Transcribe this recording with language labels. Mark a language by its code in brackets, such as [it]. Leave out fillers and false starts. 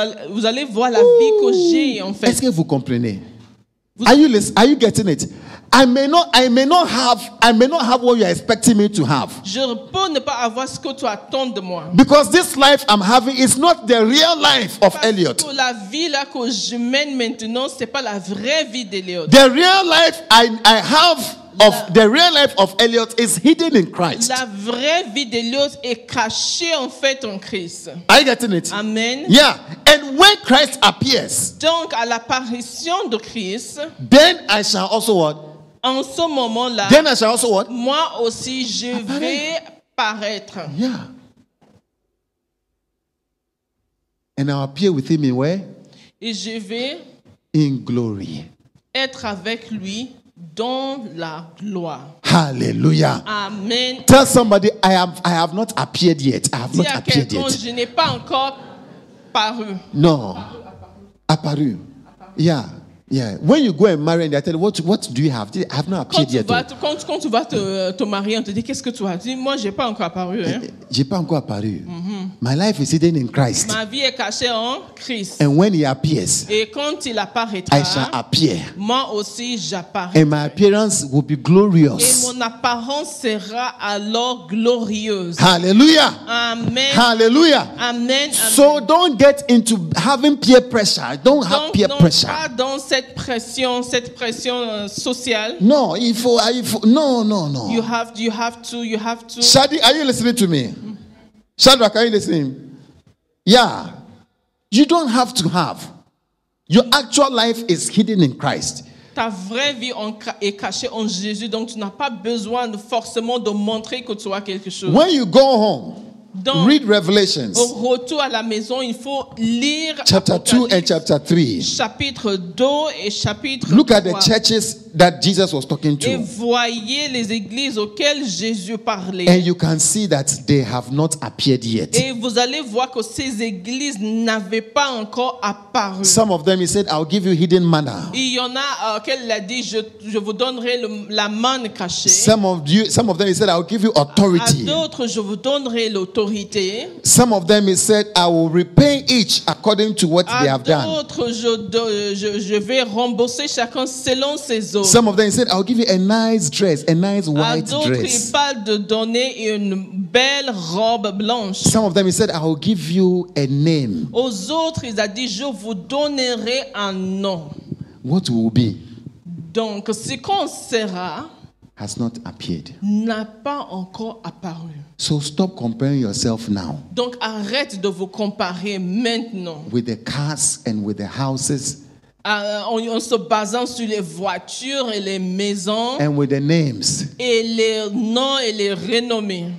[fr] Vous allez voir la vie que j'ai en fait. Est-ce que vous comprenez? [en] Are you getting it? I may not have what you are expecting me to have. [fr] Je peux ne pas avoir ce que tu attends de moi. [en] Because this life I'm having is not the real life of [fr] parce [en] Elliot. [fr] Que la vie là que je mène maintenant, c'est pas la vraie vie d'Eliot. [en] The real life I have of the real life of Elliot is hidden in Christ. [fr] La vraie vie d'Eliot est cachée en fait en Christ. [en] Are you getting it? Amen. Yeah. And when Christ appears, [fr] donc à l'apparition de Christ, [en] then I shall also what? [fr] En ce moment-là, [en] then I shall also what? [fr] Moi aussi, je vais paraître. [en] Yeah. And I'll appear with him in where? [fr] Et je vais [en] in glory. [fr] Être avec lui dans la gloire. [en] Hallelujah. Amen. Tell somebody, I have not appeared yet. I have [fr] dis [en] not appeared yet. [fr] Je n'ai pas encore paru. Non. Apparu. Yeah. [en] Yeah, when you go and marry and they tell you what do you have? I have not appeared yet. [fr] Quand tu vas te marier, on te dit qu'est-ce que tu as dit? Moi, j'ai pas encore apparu. Hein? J'ai pas encore apparu. Mm-hmm. [en] My life is hidden in Christ. [fr] Ma vie est cachée en Christ. [en] And when he appears, [fr] et quand il apparaîtra, [en] I shall appear. [fr] Moi aussi, j'apparais. [en] And my appearance will be glorious. [fr] Et mon apparence sera alors glorieuse. [en] Hallelujah. Amen. Hallelujah. Amen. So don't get into having peer pressure. Don't have peer pressure. [fr] Donc cette pression sociale. Non, il faut. Non, non, non. [en] You have to. Shadi, are you listening to me? Shadrach, are you listening? Yeah. You don't have to have. Your actual life is hidden in Christ. [fr] Ta vraie vie est cachée en Jésus, donc tu n'as pas besoin forcément de montrer que tu as quelque chose. [en] When you go home, donc, read Revelations. [fr] Au retour à la maison, il faut lire [en] chapter 2 and chapter 3. [fr] Chapitre 2 et chapitre 3. [en] Look at the churches that Jesus was talking to. [fr] Et voyez les églises auxquelles Jésus parlait. [en] And you can see that they have not appeared yet. [fr] Et vous allez voir que ces églises n'avaient pas encore apparu. [en] Some of them he said, I'll give you hidden manna. [fr] Il y en a auxquelles il a dit, je vous donnerai la manne cachée. [en] Some of them he said, I'll give you authority. [fr] À d'autres, je vous donnerai l'autorité. [en] Some of them he said, I will repay each according to what [fr] à [en] they have done. [fr] À d'autres, je vais rembourser chacun selon ses. [en] Some of them said, I'll give you a nice dress, a nice white dress. [fr] Il parle de donner une belle robe blanche. [en] Some of them he said, I will give you a name. [fr] Aux autres, il a dit, je vous donnerai un nom. [en] What will be? [fr] Donc, ce qu'on sera [en] has not appeared. [fr] N'a pas encore apparu. [en] So stop comparing yourself now. [fr] Donc, arrête de vous comparer maintenant. [en] With the cars and with the houses. [fr] En se basant sur les voitures et les maisons [en] and with the names, [fr] et les noms et les renommées,